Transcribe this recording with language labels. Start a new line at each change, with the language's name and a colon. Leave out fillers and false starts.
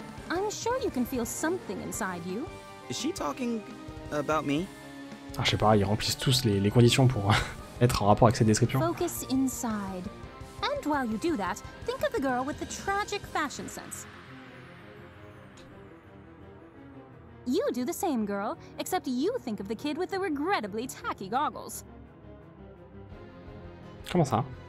English: I'm sure you can feel something inside you. Is she talking about me?
French: Ah, je sais pas, ils remplissent tous les conditions pour être en rapport avec cette description.
English: Focus inside. And while you do that, think of the girl with the tragic fashion sense. You do the same, girl, except you think of the kid with the regrettably tacky goggles.
French: Comment ça?